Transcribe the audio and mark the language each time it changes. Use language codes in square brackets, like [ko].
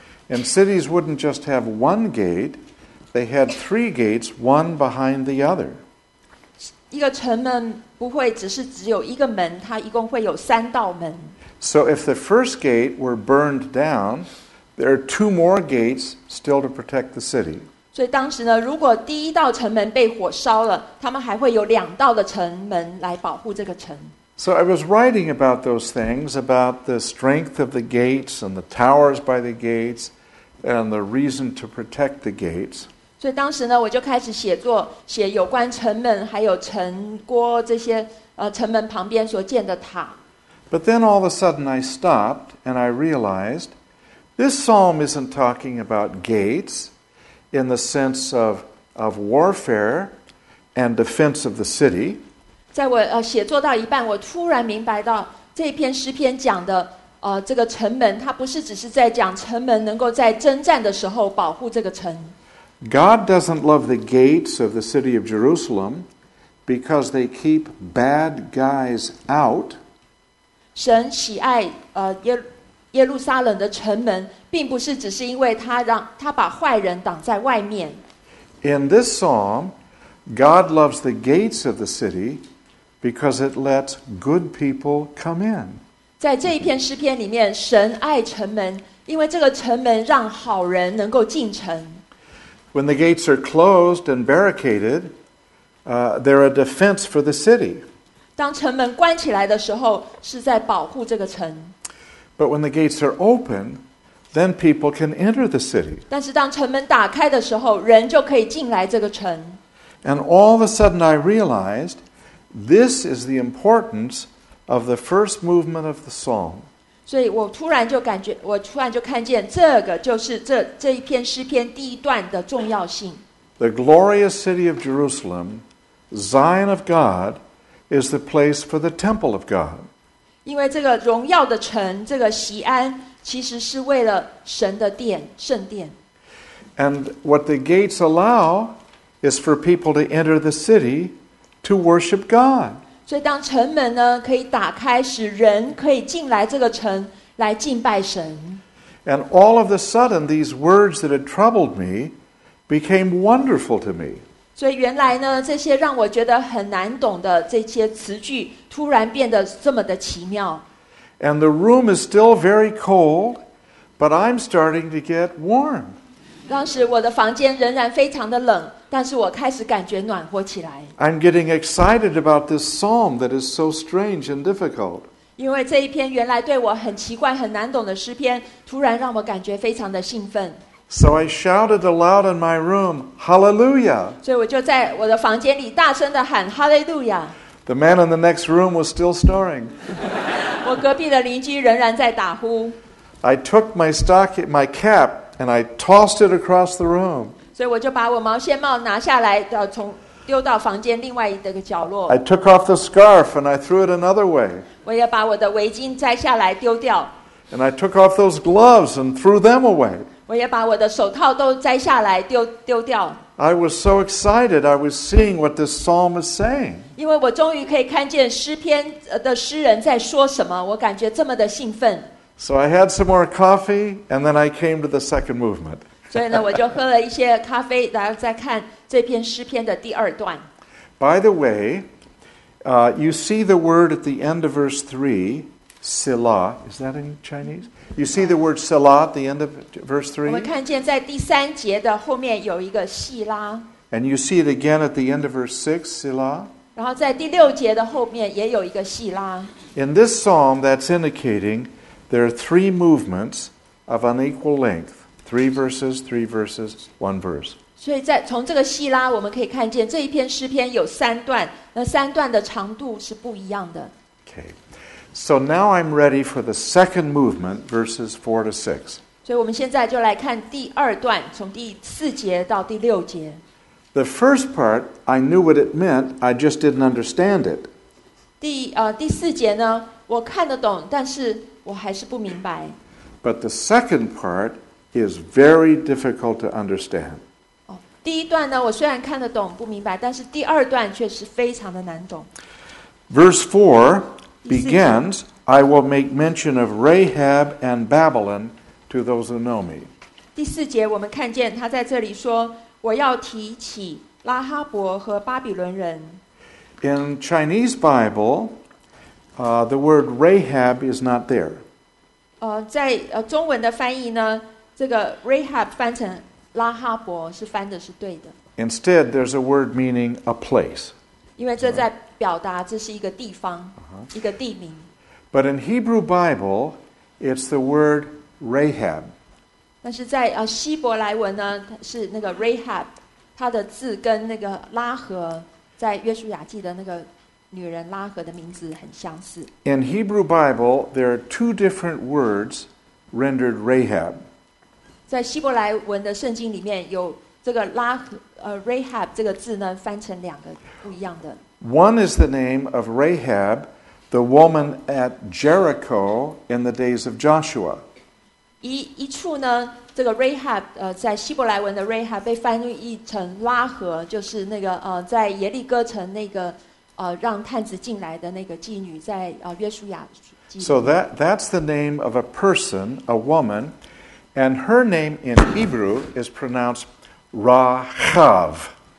[en] And cities wouldn't just have one gate, they had three gates, one behind the other. [zh] 一个城门不会只有一个门，它一共会有三道门。 [en] So if the first gate were burned down, there are two more gates still to protect the city. [zh] 所以当时呢，如果第一道城门被火烧了，他们还会有两道的城门来保护这个城。 [en] So I was writing about those things, about the strength of the gates and the towers by the gates, and the reason to protect the gates. [zh] 所以当时呢，我就开始写作，写有关城门，还有城郭这些城门旁边所建的塔。 [en] But then all of a sudden I stopped and I realized this psalm isn't talking about gates. In the sense of warfare and defense of the city. [zh] 在我写作到一半，我突然明白到这篇诗篇讲的这个城门，它不是只是在讲城门能够在征战的时候保护这个城。 [en] God doesn't love the gates of the city of Jerusalem because they keep bad guys out. [zh] 神喜爱耶路撒冷的城门并不是只是因为他把坏人挡在外面。 [en] In this psalm, God loves the gates of the city because it lets good people come in. [zh] 在这一篇诗篇里面，神爱城门，因为这个城门让好人能够进城。 [en] When the gates are closed and barricaded, they're a defense for the city. [zh] 当城门关起来的时候，是在保护这个城。 [en] But when the gates are open, then people can enter the city. [zh] 但是当城门打开的时候，人就可以进来这个城。 [en] And all of a sudden I realized this is the importance of the first movement of the psalm. [zh] 所以我突然就感觉，我突然就看见这个就是这一篇诗篇第一段的重要性。 [en] The glorious city of Jerusalem, Zion of God, is the place for the temple of God. [zh] 因为这个荣耀的城，这个锡安，其实是为了神的殿，圣殿。 [en] And what the gates allow... is for people to enter the city to worship God. [zh] 所以当城门呢可以打开，使人可以进来这个城来敬拜神。 [en] And all of a sudden, these words that had troubled me became wonderful to me. [zh] 所以原来呢，这些让我觉得很难懂的这些词句，突然变得这么的奇妙。 [en] And the room is still very cold, but I'm starting to get warm. [zh] 当时我的房间仍然非常的冷。但是我开始感觉暖和起来。 [en] I'm getting excited about this psalm that is so strange and difficult. [zh] 因为这一篇原来对我很奇怪、很难懂的诗篇，突然让我感觉非常的兴奋。 [en] So I shouted aloud in my room, "Hallelujah!" [zh] 所以我就在我的房间里大声的喊 "Hallelujah!" [en] The man in the next room was still snoring. [zh] 我隔壁的邻居仍然在打呼。 [en] I took my cap, and I tossed it across the room. [zh] 所以我就把我毛线帽拿下来，从丢到房间另外一个角落。 [en] I took off the scarf and I threw it another way. [zh] 我也把我的围巾摘下来丢掉。 [en] And I took off those gloves and threw them away. [zh] 我也把我的手套都摘下来丢掉。 [en] I was so excited. I was seeing what this psalm is saying. [zh] 因为我终于可以看见诗篇的诗人在说什么，我感觉这么的兴奋。 [en] So I had some more coffee and then I came to the second movement. [zh] 所以呢，我就喝了一些咖啡，然后再看这篇诗篇的第二段。 [en] By the way, you see the word at the end of verse 3, Selah. Is that in Chinese? You see the word Selah at the end of verse 3? [zh] 我们看见在第三节的后面有一个细拉。 [en] And you see it again at the end of verse 6, Selah. [zh] 然后在第六节的后面也有一个细拉。 [en] In this psalm, that's indicating there are three movements of unequal length. Three verses, one verse. [zh] 所以在从这个希拉，我们可以看见这一篇诗篇有三段，那三段的长度是不一样的。 [en] Okay, so now I'm ready for the second movement, verses 4-6. [zh] 所以我们现在就来看第二段，从第四节到第六节。 [en] The first part, I knew what it meant, I just didn't understand it. [zh] 第四节呢，我看得懂，但是我还是不明白。 [en] But the second part. Is very difficult to understand. [zh] 第一段呢，我虽然看得懂，不明白，但是第二段却是非常的难懂。 [en] Verse 4 begins, I will make mention of Rahab and Babylon to those who know me. [zh] 第四节我们看见他在这里说，我要提起拉哈伯和巴比伦人。 [en] In Chinese Bible, the word Rahab is not there. [zh] 在中文的翻译呢这个 Rahab 翻成拉哈伯是翻的是对的。 [en] Instead, there's a word meaning a place. [zh] 因为这在表达这是一个地方、一个地名。 [en] But in Hebrew Bible, it's the word Rahab. [zh] 但是在希伯来文呢，是那个 Rahab， 它的字跟那个拉合，在约书亚记的那个女人拉合的名字很相似。 [en] In Hebrew Bible, there are two different words rendered Rahab. [zh] 在希伯来文的圣经里面有这个拉和Rahab 这个字呢翻成两个不一样的。 [en] One is the name of Rahab, the woman at Jericho in the days of Joshua. [zh] 一处呢这个 Rahab, 在希伯来文的 Rahab 被翻译成拉和就是那个在耶利哥城那个让探子进来的那个妓女在约书亚记。 [en] So that's the name of a person, a woman,And her name in Hebrew is pronounced Rahav.